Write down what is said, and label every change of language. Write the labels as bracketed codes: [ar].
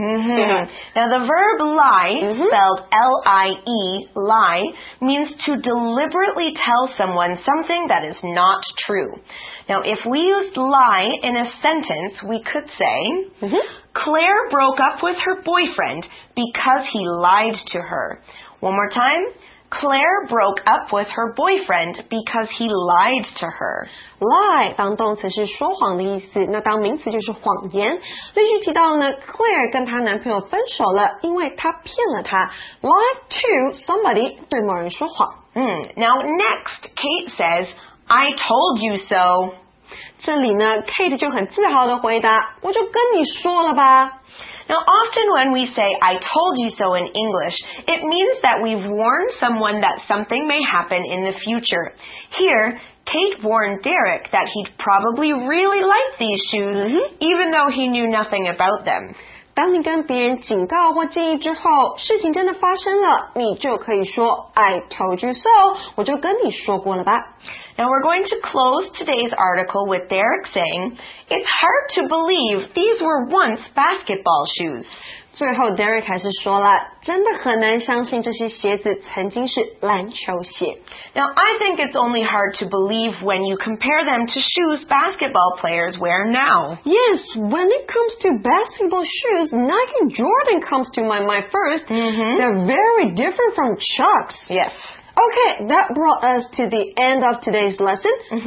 [en] Now the verb lie, spelled L-I-E, lie, means to deliberately tell someone something that is not true. Now if we used lie in a sentence, we could say, Claire broke up with her boyfriend because he lied to her. One more time. Claire broke up with her boyfriend because he lied to her. [zh] Lie 当动词是说谎的意思，那当名词就是谎言。例句提到呢 ，Claire 跟她男朋友分手了，因为她骗了他。 [en] Lie to somebody [zh] 对某人说谎。 [en] Now next, Kate says, "I told you so." [zh] 这里呢 ，Kate 就很自豪的回答，我就跟你说了吧。 [en] Now, often when we say, I told you so in English, it means that we've warned someone that something may happen in the future. Here, Kate warned Derek that he'd probably really like these shoes, even though he knew nothing about them. [zh] 当你跟别人警告或建议之后，事情真的发生了，你就可以说 [en] I told you so, [zh] 我就跟你说过了吧。 [en] Now we're going to close today's article with Derek saying, It's hard to believe these were once basketball shoes. [zh] 最后 Derek 还是说了，真的很难相信这些鞋子曾经是篮球鞋。 [en] Now I think it's only hard to believe when you compare them to shoes basketball players wear now. Yes, when it comes to basketball shoes, Nike Jordan comes to my mind first. They're very different from Chucks. Yes. Okay, that brought us to the end of today's lesson.